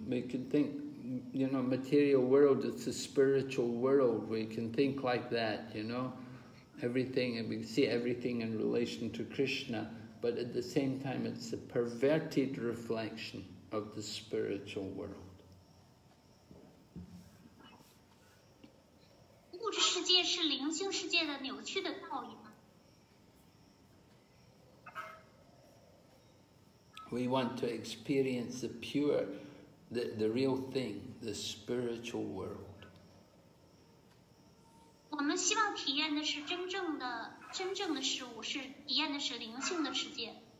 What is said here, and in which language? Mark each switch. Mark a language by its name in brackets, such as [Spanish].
[English] We can think, you know, material world is a spiritual world. We can think like that, you know, everything, and we see everything in relation to Krishna. but at the same time it's a perverted reflection of the spiritual world. [Chinese] 物质世界是灵性世界的扭曲的倒影吗？ [English] We want to experience the pure, the real thing, the spiritual world. [Chinese] 我们希望体验的是真正的事物，是体验的是灵性的世界。